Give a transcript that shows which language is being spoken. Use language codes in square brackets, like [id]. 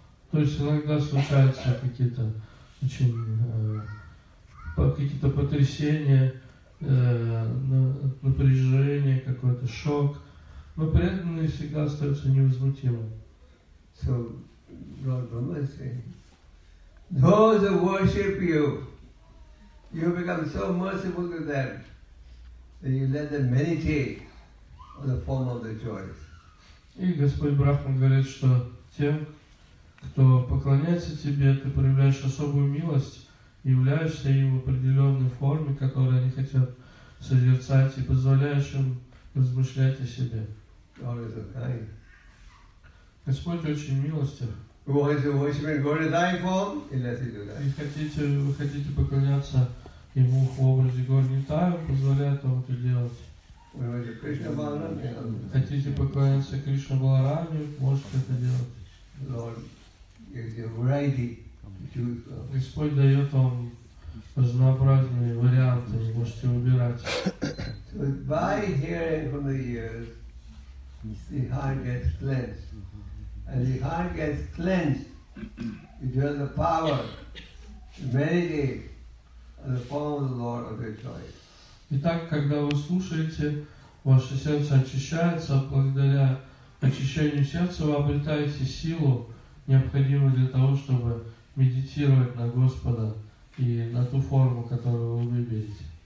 [ru] То есть иногда случаются какие-то какие-то потрясения, напряжение, какой-то шок, но преданные всегда остаются невозмутимым. [en] So, Lord Brahma is saying, those who worship you, you become so merciful to them that you let them meditate on the form of the joys. [ru] И Господь Брахман говорит, что тем, кто поклоняется тебе, ты проявляешь особую милость, являешься им в определенной форме, которую они хотят созерцать, и позволяешь им размышлять о себе. Господь очень милостив. Вы хотите поклоняться ему в образе Горнитая, он позволяет вам это делать. Хотите поклоняться Кришне Баларами, можете это делать. Господь дает вам разнообразные варианты, вы можете выбирать. [en] So by hearing from the ears, the heart gets cleansed. And the heart gets cleansed, you have the power to meditate the form of the Lord of your choice. [ru] Итак, когда вы слушаете, ваше сердце очищается, благодаря очищению сердца вы обретаете силу, необходимую для того, чтобы медитировать на Господа и на ту форму, которую вы выберете.